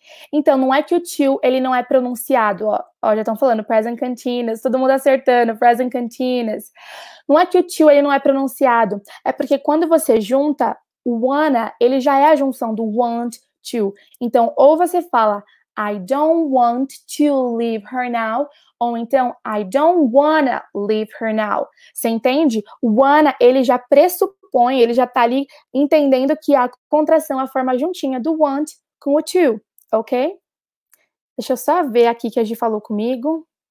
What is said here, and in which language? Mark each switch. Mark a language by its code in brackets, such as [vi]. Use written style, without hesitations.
[pt] Então, não é que o to, ele não é pronunciado, ó, já estão falando, present continuous, todo mundo acertando, present continuous. Não é que o to, ele não é pronunciado, é porque quando você junta, o wanna, ele já é a junção do want to. Então, ou você fala, [en] I don't want to leave her now, [pt] ou então, [en] I don't wanna leave her now. [pt] Você entende? O wanna, ele já pressupõe, ele já está ali entendendo que a contração, a forma juntinha do want com o to. Ok? Deixa eu só ver aqui que a Gi falou comigo.